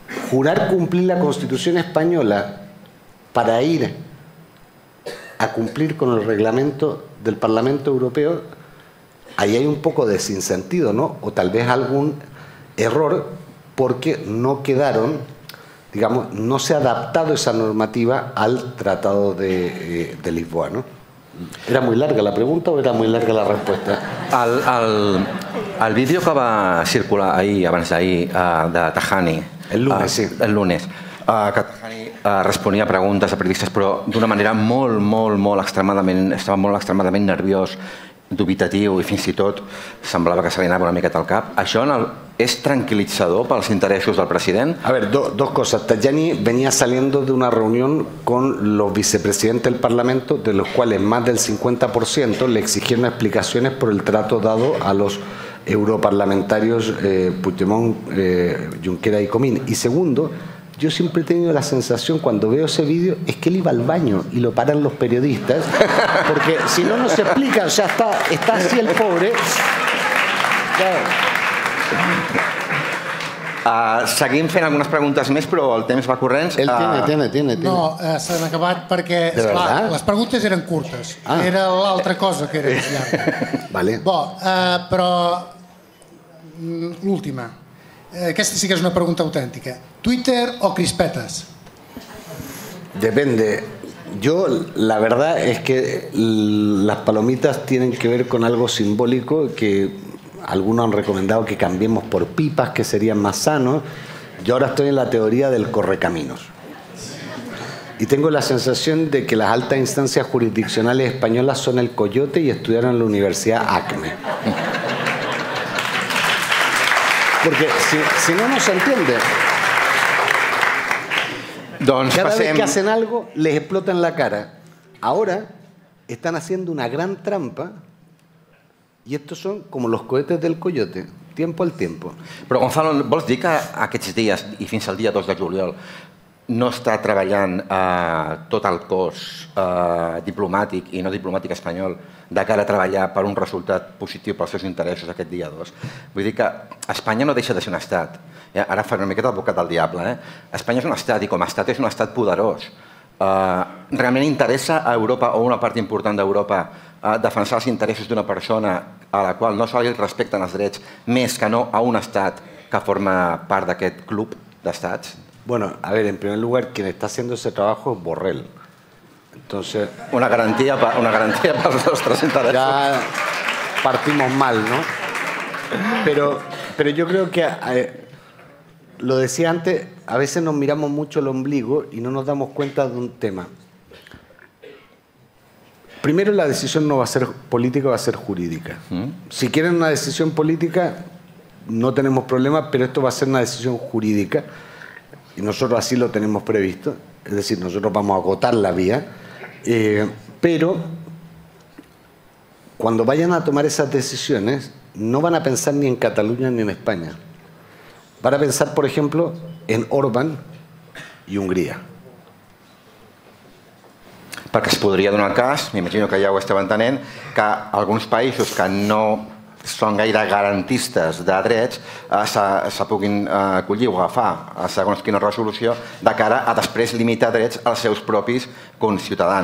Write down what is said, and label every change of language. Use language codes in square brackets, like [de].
[es] Jurar cumplir la Constitución española para ir a cumplir con el reglamento del Parlamento Europeo, ahí hay un poco de sinsentido, ¿no? O tal vez algún error, porque no quedaron, digamos, no se ha adaptado esa normativa al Tratado de Lisboa, ¿no? ¿Era muy larga la pregunta o era muy larga la respuesta? Al vídeo que va a circular ahí, [ca] abans d'ahir, [es] de Tajani. El lunes, sí. El lunes. [ca] Que Tajani responia a preguntes a periodistes, però d'una manera molt, molt, molt extremadament, estava molt extremadament nerviós, dubitatiu i fins i tot semblava que se li anava una miqueta al cap. Això és tranquil·litzador pels interessos del president? A veure, dos coses. [es] Tajani venia saliendo de una reunió con los vicepresidentes del Parlamento, de los cuales más del 50% le exigieron explicaciones por el trato dado a los europarlamentarios Puigdemont, Junqueras y Comín. Y segundo, yo siempre he tenido la sensación cuando veo ese vídeo es que él iba al baño y lo paran los periodistas, porque si no, no se explica, o sea, está así el pobre. [ca] Seguim fent algunes preguntes més, però el temps va corrents. El tiene. No, s'han acabat perquè, esclar, les preguntes eren curtes. Ah. Era l'altra cosa que era llarga. Vale. Bo, però l'última. Aquesta sí que és una pregunta autèntica. Twitter o crispetes? [es] Depende. Yo, la verdad es que las palomitas tienen que ver con algo simbólico que algunos han recomendado que cambiemos por pipas, que serían más sanos. Yo ahora estoy en la teoría del correcaminos. Y tengo la sensación de que las altas instancias jurisdiccionales españolas son el coyote y estudiaron en la Universidad ACME. Porque si no, no se entiende. [ca] Doncs [es] cada [ca] passem... [es] vez que hacen algo, les explota en la cara. Ahora están haciendo una gran trampa. Y estos son como los cohetes del coyote, tiempo al tiempo. [ca] Però, Gonzalo, vols dir que aquests dies, i fins al dia 2 de juliol, no està treballant tot el cos diplomàtic i no diplomàtic espanyol de cara a treballar per un resultat positiu pels seus interessos aquest dia 2? Vull dir que Espanya no deixa de ser un estat. Ja, ara faré una miqueta d'advocat del diable. Espanya és un estat, i com a estat és un estat poderós. Realment interessa a Europa o una part important d'Europa defensar els interessos d'una persona a la qual no se li respecten els drets més que no a un estat que forma part d'aquest club d'estats? [es] Bueno, a ver, en primer lugar, quien está haciendo ese trabajo es Borrell. Entonces... Una garantía para los nuestros intereses. Ya partimos mal, ¿no? Pero yo creo que, lo decía antes, a veces nos miramos mucho el ombligo y no nos damos cuenta de un tema. Primero, la decisión no va a ser política, va a ser jurídica. Si quieren una decisión política, no tenemos problema, pero esto va a ser una decisión jurídica. Y nosotros así lo tenemos previsto. Es decir, nosotros vamos a agotar la vía. Pero cuando vayan a tomar esas decisiones, no van a pensar ni en Cataluña ni en España. Van a pensar, por ejemplo, en Orbán y Hungría. [ca] Perquè es podria donar el cas, m'imagino que ja ho estava entenent, que alguns països que no són gaire garantistes de drets, se puguin acollir o agafar a segons quina resolució de cara a després limitar drets als seus propis conciutadans.